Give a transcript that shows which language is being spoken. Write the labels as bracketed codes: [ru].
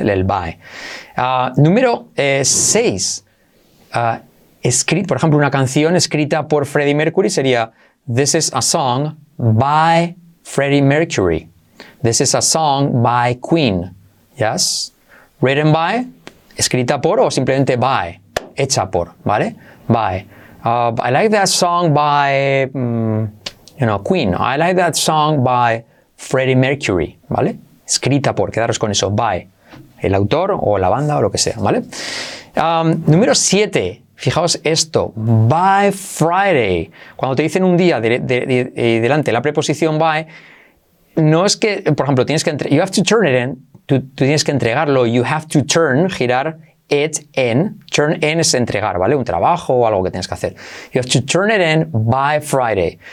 [es] El by. Número 6, escrito, por ejemplo, una canción escrita por Freddie Mercury sería [en] This is a song by Freddie Mercury. This is a song by Queen. Yes? Written by, [es] escrita por o simplemente by, hecha por, ¿vale? [en] By. I like that song by, Queen. I like that song by Freddie Mercury, [es] ¿vale? Escrita por, quedaros con eso, by. El autor o la banda o lo que sea, ¿vale? Número 7. Fijaos esto, [en] by Friday. [es] Cuando te dicen un día delante la preposición by, no es que, por ejemplo, tienes que, [en] you have to turn it in, [es] tú tienes que entregarlo, [en] you have to turn, [es] girar [en] it in. Turn in [es] es entregar, ¿vale? Un trabajo o algo que tienes que hacer. [en] You have to turn it in by Friday.